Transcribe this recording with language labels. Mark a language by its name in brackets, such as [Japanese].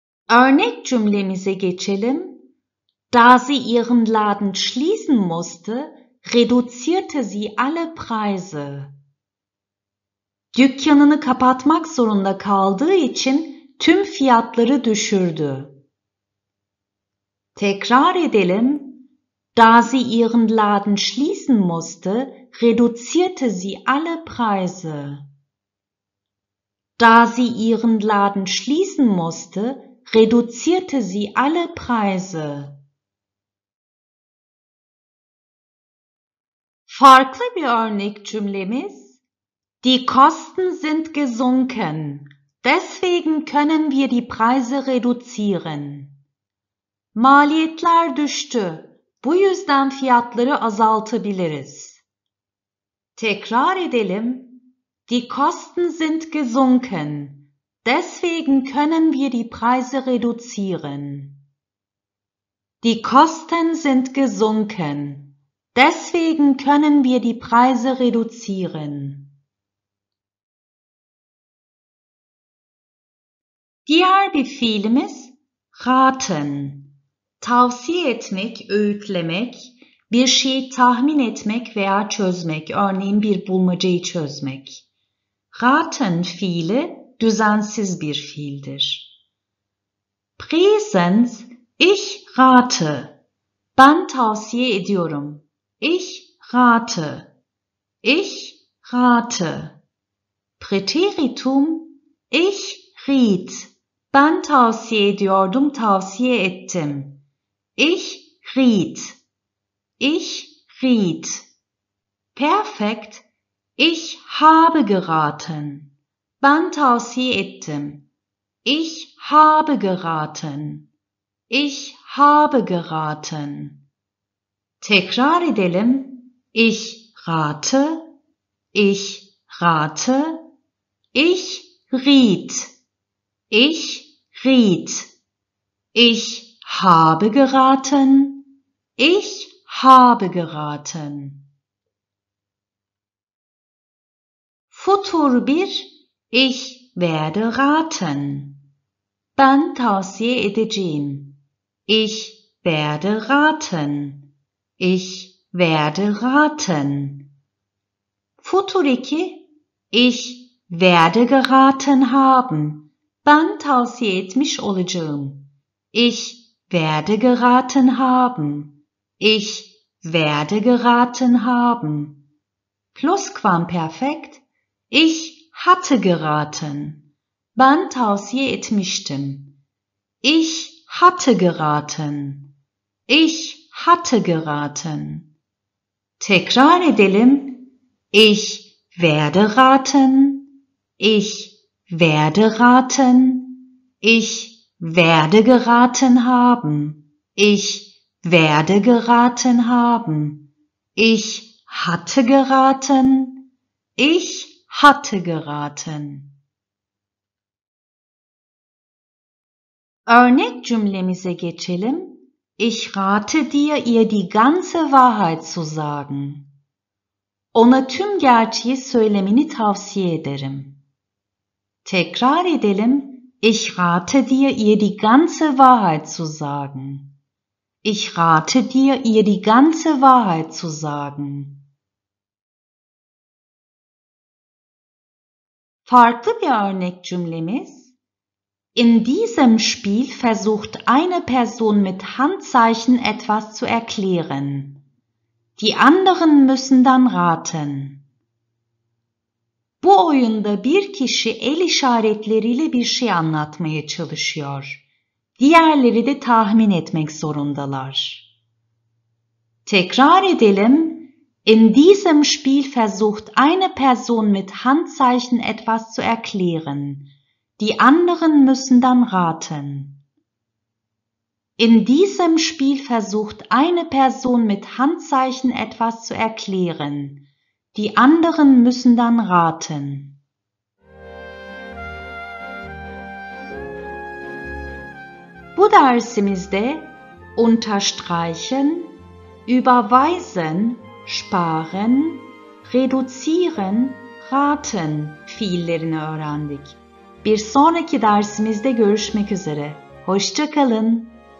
[Turkish] Örnek cümlemize geçelim. [German] Da sie ihren Laden schließen musste, reduzierte sie alle Preise. [Turkish] Dükkanını kapatmak zorunda kaldığı için tüm fiyatları düşürdü. Tekrar edelim. [German] Da sie ihren Laden schließen musste, reduzierte sie alle Preise. Da sie ihren Laden schließen musste, reduzierte sie alle Preise. [Turkish] Farklı bir örnek cümlemiz. [German] Die Kosten sind gesunken. Deswegen können wir die Preise reduzieren. [Turkish] Maliyetler düştü. Bu yüzden fiyatları azaltabiliriz. Tekrar edelim. [German] Die Kosten sind gesunken. Deswegen können wir die Preise reduzieren. Die Kosten sind gesunken. Deswegen können wir die Preise reduzieren. [Turkish] Diğer bir fiilimiz raten. Tavsiye etmek, öğütlemek, bir şeyi tahmin etmek veya çözmek, örneğin bir bulmacayı çözmek. Raten fiili düzensiz bir fiildir. [German] Präsens, ich rate. [Turkish] Ben tavsiye ediyorum. [German] Ich rate. Ich rate. Präteritum, ich riet. [Turkish] Ben tavsiye ediyordum, tavsiye ettim. [German] Ich riet. Ich riet. Perfekt, ich habe geraten. [Turkish] Ben tavsiye ettim. [German] Ich habe geraten. Ich habe geraten. [Turkish] Tekrar edelim. [German] Ich rate. Ich rate. Ich riet. Ich riet. Ich habe geraten. Ich habe geraten. Futur bir, ich werde raten. [Turkish] Ben tavsiye edeceğim. [German] Ich werde raten. Ich werde raten. Futur iki, ich werde geraten haben. [Turkish] Ben tavsiye etmiş olacağım. [German] Ich werde geraten haben. Ich werde geraten haben. Plusquamperfekt. Ich hatte geraten. [Turkish] Ben tavsiye etmiştim. [German] Ich hatte geraten. Ich hatte geraten. [Turkish] Tekrar edelim. [German] Ich werde raten. Ich werde raten. Ich werde geraten haben. Ich werde geraten haben. Ich hatte geraten. Ich hatte geraten. [Turkish] Örnek cümlemize geçelim. [German] Ich rate dir, ihr die ganze Wahrheit zu sagen. [Turkish] Ona tüm gerçeği söylemeni tavsiye ederim. Tekrar edelim. [German] Ich rate dir, ihr die ganze Wahrheit zu sagen. Ich rate dir, ihr die ganze Wahrheit zu sagen. [Turkish] Farklı bir örnek cümlemiz. [German] In diesem Spiel versucht eine Person mit Handzeichen etwas zu erklären. Die anderen müssen dann raten. [Turkish] Bu oyunda bir kişi el işaretleriyle bir şey anlatmaya çalışıyor. Diğerleri de tahmin etmek zorundalar. Tekrar edelim. [German] In diesem Spiel versucht eine Person mit Handzeichen etwas zu erklären. Die anderen müssen dann raten. In diesem Spiel versucht eine Person mit Handzeichen etwas zu erklären. Die anderen müssen dann raten. [Turkish] Bu dersimizde unterstreichen, überweisen, sparen, reduzieren, raten fiillerini öğrendik. Bir sonraki dersimizde görüşmek üzere. Hoşça kalın.